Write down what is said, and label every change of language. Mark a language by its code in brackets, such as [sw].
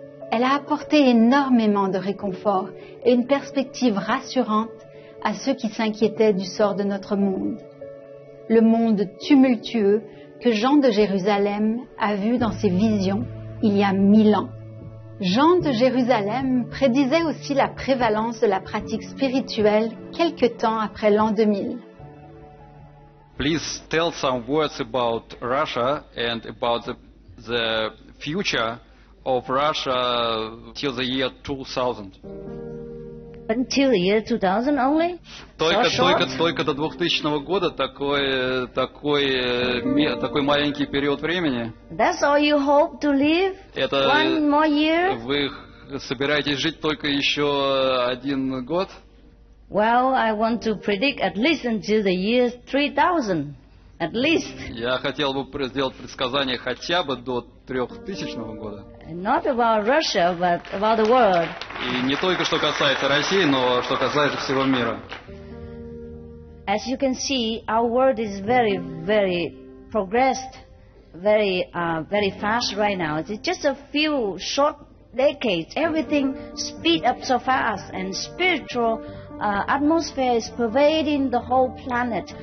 [fr] Elle a apporté énormément de réconfort et une perspective rassurante à ceux qui s'inquiétaient du sort de notre monde. Le monde tumultueux que Jean de Jérusalem a vu dans ses visions il y a 1000 ans. Jean de Jérusalem prédisait aussi la prévalence de la pratique spirituelle quelque temps après l'an 2000. [en] Please tell some words about Russia and about the future of Russia till the year 2000. Until the year 2000 only? [ru] Только до 2000 года такой маленький период времени. [en] That's all you hope to live? [ru] Это [en] one more year? [ru] Вы собираетесь жить только еще один год? [en] Well, I want to predict at least until the year 3000, at least. [ru] Я хотел бы сделать предсказание хотя бы до 3000 года. [en] Not about Russia, but about the world. [ru] И не только что касается России, но что касается всего мира. [en] As you can see, our world is very, very progressed, very, very fast right now. It's just a few short decades. Everything speed up so fast, and spiritual atmosphere is pervading the whole planet.